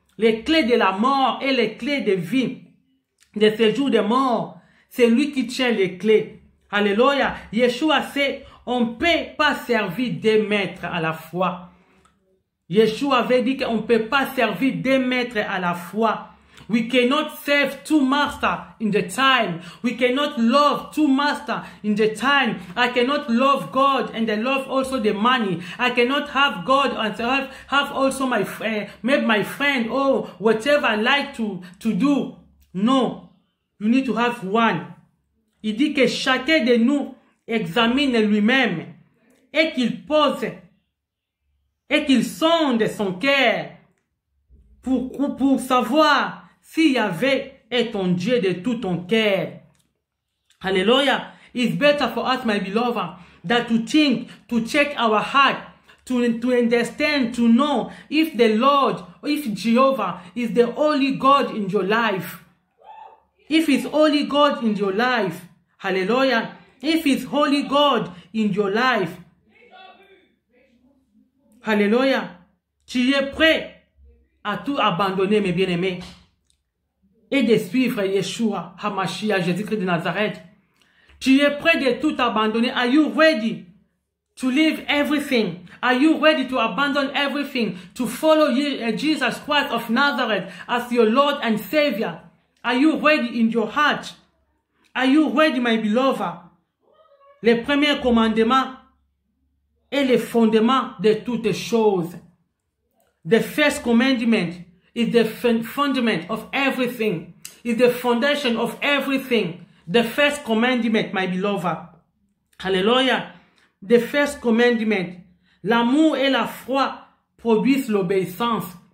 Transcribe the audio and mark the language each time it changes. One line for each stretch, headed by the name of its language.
French: Les clés de la mort et les clés de vie, de ce jour de mort. C'est lui qui tient les clés. Alléluia. Yeshua, c'est, on ne peut pas servir deux maîtres à la fois. Yeshua avait dit qu'on ne peut pas servir deux maîtres à la fois.
English: We cannot serve two masters in the time. We cannot love two masters in the time. I cannot love God and I love also the money. I cannot have God and have also my friend, maybe my friend, or whatever I like to do. No, you need to have one.
French: Il dit que chacun de nous examine lui-même et qu'il pose et qu'il sonde son cœur pour savoir si Yahvé est ton Dieu de tout ton cœur. Alléluia.
English: It's better for us, my beloved, that to think, to check our heart, to understand, to know if the Lord, if Jehovah is the only God in your life. If it's only God in your life. Alléluia. If it's holy God in your life. Alléluia.
French: Tu es prêt à tout abandonner, mes bien-aimés. Et de suivre Yeshua, Hamashiach, Jésus-Christ de Nazareth. Tu es prêt de tout abandonner.
English: Are you ready to leave everything? Are you ready to abandon everything? To follow Jesus Christ of Nazareth as your Lord and Savior? Are you ready in your heart? Are you ready, my beloved?
French: Le premier commandement est le fondement de toutes choses.
English: The first commandment is the fundament of everything. Is the foundation of everything. The first commandment, my beloved. Hallelujah. The first commandment.
French: L'amour et la foi produisent l'obéissance.